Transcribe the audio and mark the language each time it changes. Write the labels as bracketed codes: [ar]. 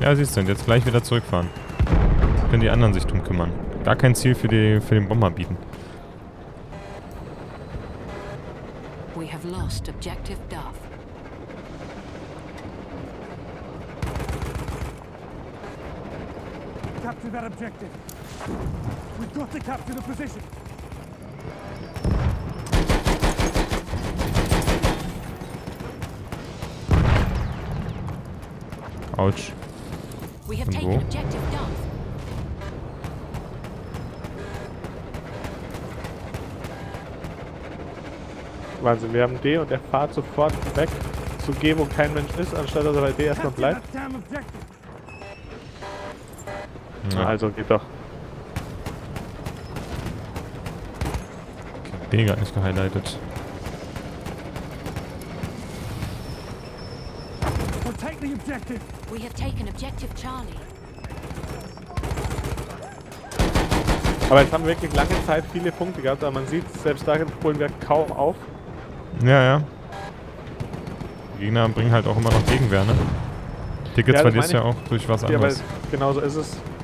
[de] Ja, siehst du, und jetzt gleich wieder zurückfahren. Können die anderen sich drum kümmern. Gar kein Ziel für den Bomber bieten. [en] have lost objective Duff. Capture that objective. We've got to capture the position. Ouch. We have taken objective Duff. [de] Wahnsinn, wir haben D und er fährt sofort weg zu G, wo kein Mensch ist, anstatt dass er bei D erstmal bleibt. Ja. Also geht doch. B gar nicht gehighlightet. [en] We'll take the objective. We have taken objective Charlie. [de] Aber jetzt haben wir wirklich lange Zeit viele Punkte gehabt, aber man sieht, selbst darin holen wir kaum auf. Ja, ja. Die Gegner bringen halt auch immer noch Gegenwehr, ne? Tickets verlierst ja auch durch was anderes. Ja, weil genau so ist es.